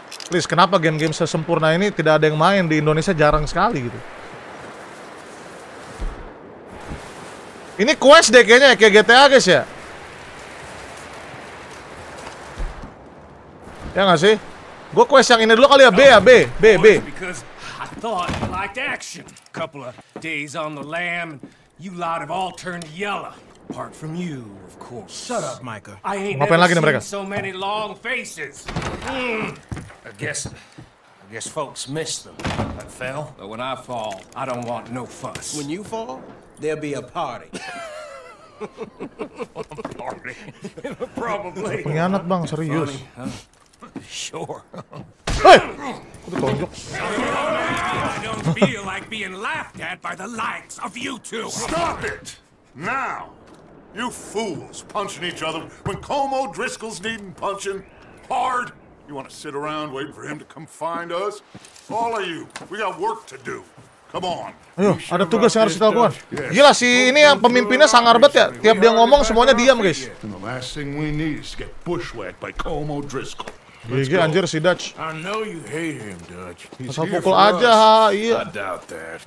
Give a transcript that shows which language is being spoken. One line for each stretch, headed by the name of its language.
Indonesian: Please, kenapa game-game sesempurna ini tidak ada yang main di Indonesia, jarang sekali gitu. Ini quest deh kayaknya, kayak GTA guys ya. Ya nggak sih? Gue quest yang ini dulu kali ya, B ya, B.
English: Because I thought you liked action. Couple of days on the lam, you lot have all turned yellow. Apart from you, of course. Shut up, Micah. I ain't never seen mereka. So many long faces. I guess folks miss them. I fell, but when I fall, I don't want no fuss. When you fall, there'll be a party. A party? Probably.
Indonesian: Pengkhianat bang, serius.
English: Funny, huh? Sure.
Indonesian: Hey! Aduh, tonjok.
English: I don't feel like being laughed at by the likes of you two. Stop it! Now! You fools, punching each other when Como Driscoll's needing punching hard. You want to sit around waiting for him to come find us? All of you, we got work to do. Come on.
Indonesian: Ayo, ada tugas yang harus kita lakukan. Gila sih, ini yang pemimpinnya sangar banget ya. Tiap dia ngomong semuanya diam, guys.
English: The last thing we need is to get bushwhacked by Como Driscoll.
Indonesian: Gigi anjir si Dutch.
English: I know you hate him, Dutch.
Indonesian: Asal pukul aja, iya.
English: I doubt that.